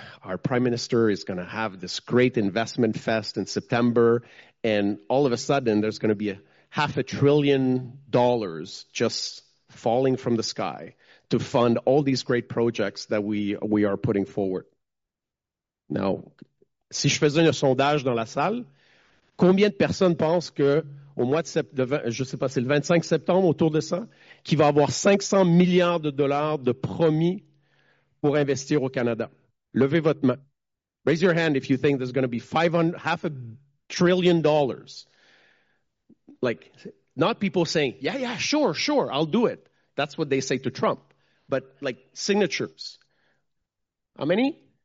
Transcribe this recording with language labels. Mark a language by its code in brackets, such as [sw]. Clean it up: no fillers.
[en] Our prime minister is going to have this great investment fest in September, and all of a sudden there's going to be $500 billion just falling from the sky to fund all these great projects that we are putting forward. [fr] Now, si je faisais un sondage dans la salle, combien de personnes pensent que au mois de le 25 septembre autour de ça, qu'il va avoir [en] $500 billion [fr] de promis pour investir au Canada? Levez votre main. [en] Raise your hand if you think there's going to be $500 billion. Like, not people saying, yeah, yeah, sure, sure, I'll do it. That's what they say to Trump. But, like, signatures. How many?